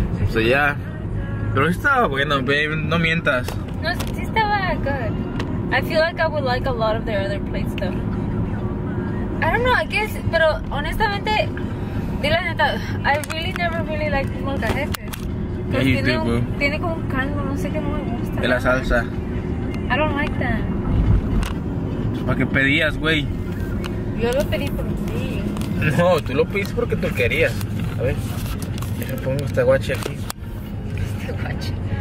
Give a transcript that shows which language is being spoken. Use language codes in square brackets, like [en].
[en] So, yeah. [es] Pero estaba bueno, babe, no mientas. Yeah. No, sí estaba good. [en] I feel like I would like a lot of their other plates though. I don't know, I guess, [es] pero honestamente, dile la neta, [en] I really never really liked molcajetes. Yeah, you do, boo. [es] Tiene como un caldo, no sé qué, no me gusta. De la salsa. [en] I don't like that. [es] ¿Para qué pedías, güey? Yo lo pedí por ti. No, tú lo pediste porque tú querías. A ver, déjame pongo este guache aquí. Este guache.